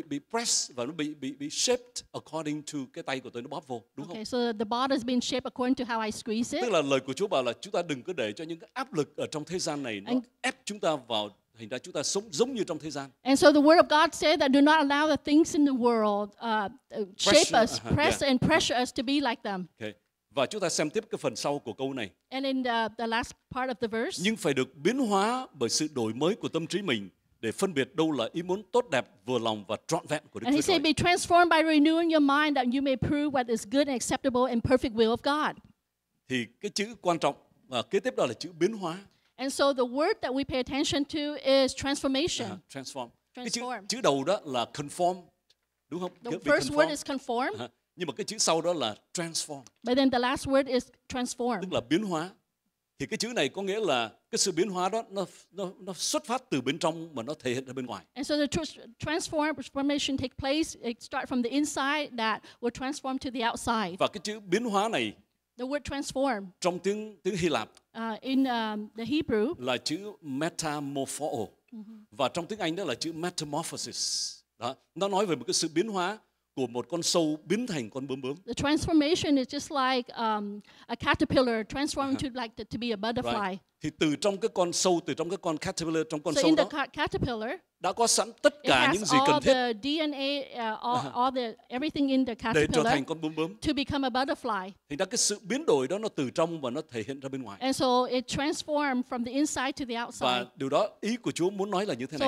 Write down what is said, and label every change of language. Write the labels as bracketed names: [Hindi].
[Vietnamese] pressed và nó bị [English] shaped according to [Vietnamese] cái tay của tôi nó bóp vô, đúng [English] okay, [Vietnamese] không? [English] Okay, so the bottle has been shaped according to how I squeeze it. [Vietnamese] Tức là lời của Chúa bảo là chúng ta đừng có để cho những cái áp lực ở trong thế gian này nó ép chúng ta vào thành ra chúng ta sống giống như trong thế gian. [English] And so the word of God says that do not allow the things in the world shape us, press and pressure us to be like them. Okay. [Vietnamese] Và chúng ta xem tiếp cái phần sau của câu này. [English] And in the last part of the verse. [Vietnamese] Nhưng phải được biến hóa bởi sự đổi mới của tâm trí mình để phân biệt đâu là ý muốn tốt đẹp, vừa lòng và trọn vẹn của Đức Chúa Trời. [English] And he said, be transformed by renewing your mind that you may prove what is good and acceptable and perfect will of God. [Vietnamese] Thì cái chữ quan trọng kế tiếp đó là chữ biến hóa. [English] And so the word that we pay attention to is transformation. Transform. [Vietnamese] Chữ đầu đó là conform, đúng không? [English] The first word is conform. [Vietnamese] Nhưng mà cái chữ sau đó là transform. [English] But then the last word is transform. [Vietnamese] Tức là biến hóa. Thì cái chữ này có nghĩa là cái sự biến hóa đó nó xuất phát từ bên trong mà nó thể hiện ra bên ngoài. [English] And so the transformation take place, it start from the inside that will transform to the outside. [Vietnamese] Và cái chữ biến hóa này, [English] the word transform, [Vietnamese] trong tiếng Hy Lạp [English] the Hebrew, [Vietnamese] là chữ metamorpho. Và trong tiếng Anh đó là chữ metamorphosis. Đó, nó nói về một cái sự biến hóa của một con sâu biến thành con bướm bướm. [English] The transformation is just like a caterpillar transforming to be a butterfly. Right. [Vietnamese] Thì từ trong cái con sâu, từ trong cái con caterpillar, trong con [English] so [Vietnamese] sâu [English] in [Vietnamese] đó, [English] the caterpillar, [Vietnamese] đã có sẵn tất cả những gì cần thiết. [English] The DNA, all the everything in the caterpillar [Vietnamese] để trở thành con bướm bướm. [English] To become a butterfly. [Vietnamese] Thì đó cái sự biến đổi đó nó từ trong và nó thể hiện ra bên ngoài. [English] And so it transformed from the inside to the outside. [Vietnamese] Và điều đó ý của Chúa muốn nói là như thế này.